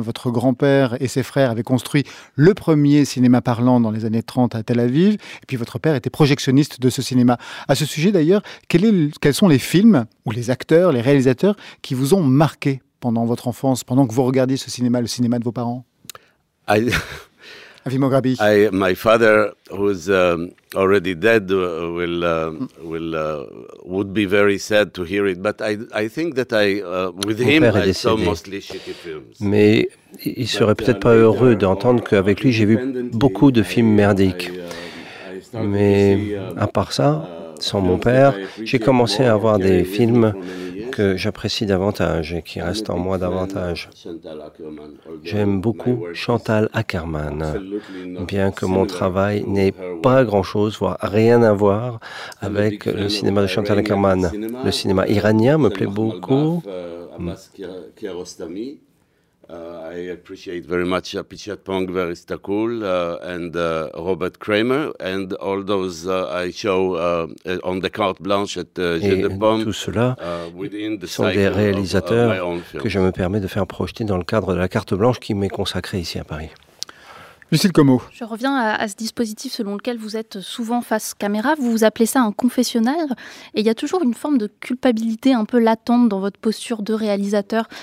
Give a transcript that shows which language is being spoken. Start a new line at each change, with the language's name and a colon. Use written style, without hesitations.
French: Votre grand-père et ses frères avaient construit le premier cinéma parlant dans les années 30 à Tel Aviv, et puis votre père était projectionniste de ce cinéma. À ce sujet d'ailleurs, quels sont les films, ou les acteurs, les réalisateurs, qui vous ont marqué pendant votre enfance, pendant que vous regardiez ce cinéma, le cinéma de vos parents ? Avi Moghrabi.
English: My father, who's already dead, would be very sad to hear it. But I think that I with him I saw mostly shitty films.
French: Mais il serait peut-être pas heureux d'entendre qu'avec lui j'ai vu beaucoup de films merdiques. Mais à part ça, sans mon père, j'ai commencé à voir des films que j'apprécie davantage et qui restent en moi davantage. J'aime beaucoup Chantal Akerman, bien que mon travail n'ait pas grand-chose, voire rien à voir avec le cinéma de Chantal Akerman. Le cinéma iranien me plaît beaucoup.
English: I appreciate very much Pichat Pongver Istakul and Robert Kramer and all those I show on the carte blanche at Jeu de Pomme.
French: Tout cela sont des réalisateurs que je me permets de faire projeter dans le cadre de la carte blanche qui m'est consacrée ici à Paris. Lucille Comeau. Je reviens à ce dispositif selon lequel vous êtes souvent face caméra. Vous vous appelez ça un confessionnal. Et il y a toujours une forme de culpabilité un peu latente dans votre posture de réalisateur.